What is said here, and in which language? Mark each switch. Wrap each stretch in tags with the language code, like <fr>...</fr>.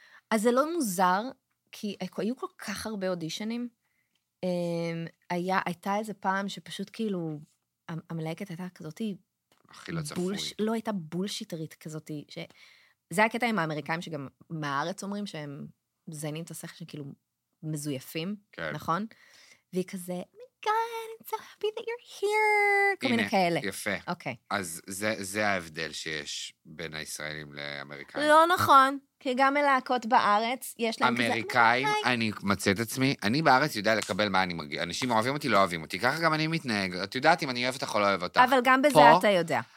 <he>אז זה לא מוזר, כי היו כל כך הרבה אודישנים, הייתה איזה פעם שפשוט כאילו, המלהקת הייתה כזאת, הכי לא צפוי. לא, הייתה בולשיטרית כזאת, זה הקטע עם האמריקאים שגם מהארץ אומרים שהם זנים את השכל, שכאילו מזויפים, נכון? והיא כזה...</he> <en>God, I'm so happy that you're here.</en> <he>כל מיני כאלה. יפה. אוקיי. אז זה ההבדל שיש בין הישראלים לאמריקאים. לא נכון, כי גם מלהקות בארץ יש להם כזה... אמריקאים, אני מצא את עצמי, אני בארץ יודע לקבל מה אני מגיע. אנשים אוהבים אותי, לא אוהבים אותי. ככה גם אני מתנהג. את יודעת אם אני אוהב אותך או לא אוהב אותך. אבל גם בזה אתה יודע.</he>